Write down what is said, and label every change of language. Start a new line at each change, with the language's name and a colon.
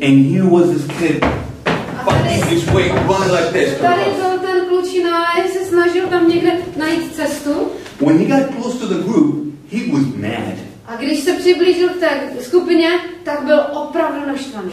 English: And here was this kid fighting his way, running like this.
Czech: Tady byl ten klučina, jak se snažil tam někde najít cestu.
English: When he got close to the group, he was mad.
Czech: A když se přiblížil k té skupině, tak byl opravdu naštvaný.